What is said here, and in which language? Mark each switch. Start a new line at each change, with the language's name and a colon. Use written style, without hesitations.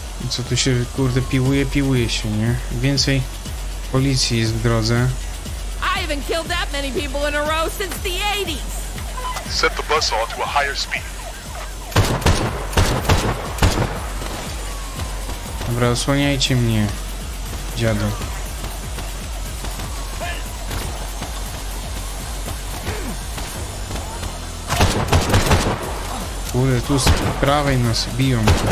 Polish: Co tu się, kurde, piłuje się, nie? Więcej policji jest w drodze.
English: I haven't killed that many people in a row since the 80s. Set the bus on to a higher speed.
Polish: Dobra, osłaniajcie mnie, dziadu. Kurde, tu z prawej nas biją.